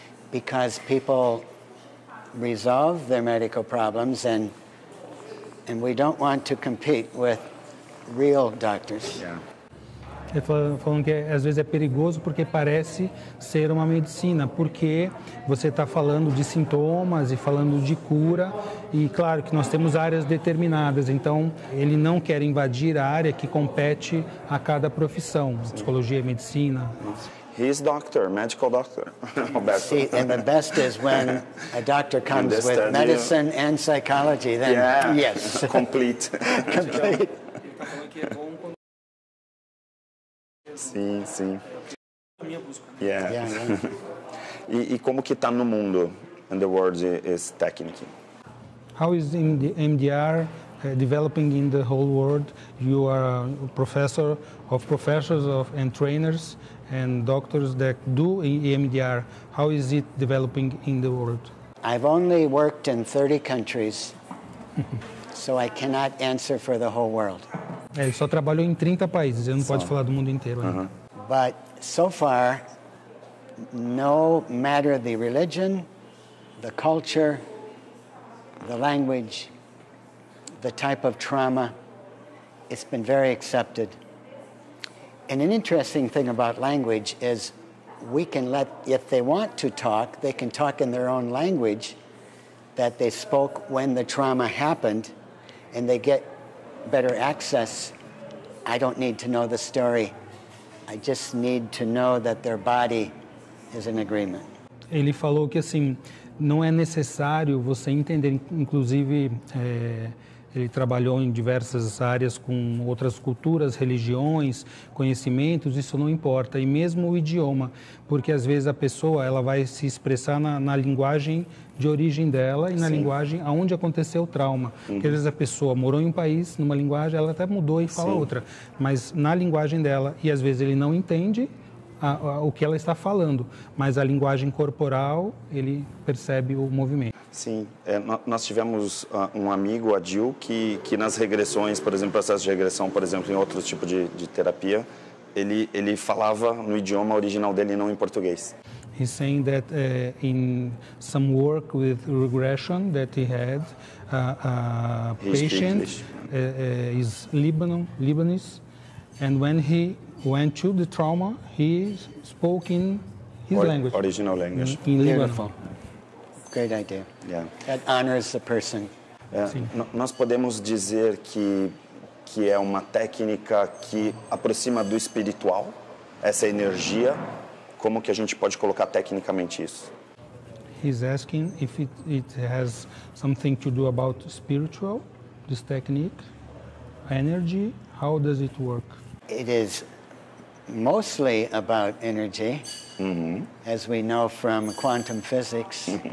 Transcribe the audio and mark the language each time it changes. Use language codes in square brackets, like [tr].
[en] Because people resolve their medical problems and we don't want to compete with real doctors. Yeah. [pt] Falando que às vezes é perigoso porque parece ser uma medicina, porque você está falando de sintomas e falando de cura, e claro que nós temos áreas determinadas, então ele não quer invadir a área que compete a cada profissão, psicologia, medicina. [en] He's doctor, medical doctor. See, and the best is when a doctor comes with medicine and psychology, then yes. Complete. Complete. [pt] Sim, sim. [en] Yeah. [pt] E como que tá no mundo, [en] in the world, is technique? How is in the MDR developing in the whole world? You are a professors and trainers and doctors that do EMDR. How is it developing in the world? I've only worked in 30 countries, so I cannot answer for the whole world. [pt] Ele só trabalhou em 30 países, ele não pode falar do mundo inteiro. Uh-huh. [en] But so far, no matter the religion, the culture, the language, the type of trauma, it's been very accepted. And an interesting thing about language is we can let, if they want to talk, they can talk in their own language that they spoke when the trauma happened, and they get better access. I don't need to know the story. I just need to know that their body is in agreement. [pt] Ele falou que assim, não é necessário você entender, inclusive, ele trabalhou em diversas áreas com outras culturas, religiões, conhecimentos, isso não importa. E mesmo o idioma, porque às vezes a pessoa ela vai se expressar na linguagem de origem dela e na linguagem onde aconteceu o trauma. Uhum. Porque às vezes a pessoa morou em um país, numa linguagem, ela até mudou e fala outra. Mas na linguagem dela, e às vezes ele não entende o que ela está falando, mas a linguagem corporal, ele percebe o movimento. Sim, nós tivemos um amigo, a Jill, que nas regressões, por exemplo, processo de regressão, por exemplo, em outro tipo de terapia, ele falava no idioma original dele, não em português. [en] He's saying that in some work with regression that he had, a patient is Lebanese, and when he went to the trauma, he spoke in his language. Original language. In Lebanon. Great idea. Yeah. That honors the person. [pt] Nós podemos dizer que é uma técnica que aproxima do espiritual, essa energia. Como que a gente pode colocar tecnicamente isso? [en] He's asking if it has something to do about spiritual, this technique, energy, how does it work? It is mostly about energy, as we know from quantum physics.